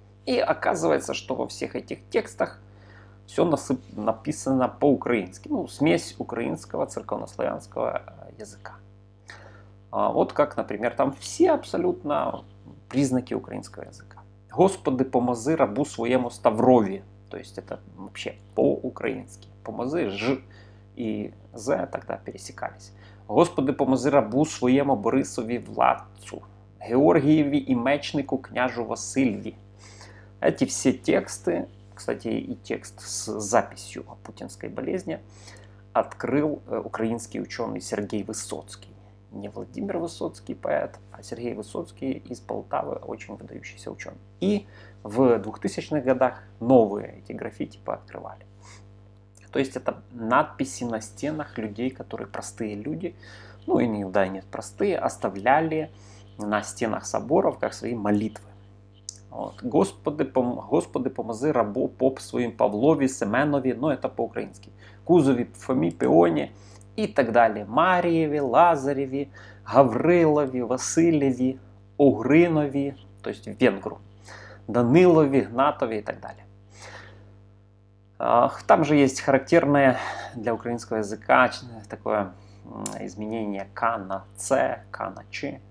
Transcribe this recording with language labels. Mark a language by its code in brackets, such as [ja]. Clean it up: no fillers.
[ru] И оказывается, что во всех этих текстах все написано по-украински, ну, смесь украинского церковнославянского языка. Вот как, например, там все абсолютно признаки украинского языка. [orv] «Господи, помози рабу своему ставрові». [ru] То есть это вообще по-украински. «Помози» — «ж» и «з» тогда пересекались. [orv] «Господи, помози рабу своему Борисові владцу», «Георгієві і мечнику княжу Васильві». [ru] Эти все тексты, кстати, и текст с записью о путинской болезни, открыл украинский ученый Сергей Высоцкий. Не Владимир Высоцкий, поэт, а Сергей Высоцкий из Полтавы, очень выдающийся ученый. И в 2000-х годах новые эти граффити пооткрывали. То есть это надписи на стенах людей, которые простые люди, ну и иногда и нет, простые, оставляли на стенах соборов, как свои молитвы. Вот. [orv] «Господи, помози рабу поп своим Павлові, Семенові», [ru] ну это по-украински, [orv] «Кузові, Фомі, Пеоні». [ru] И так далее. Марьеви, Лазареви, Гаврилови, Васильеви, Угринови, то есть венгру, Данилови, Гнатови и так далее. Там же есть характерное для украинского языка такое изменение «ка» на «ц», «ка» на «ч».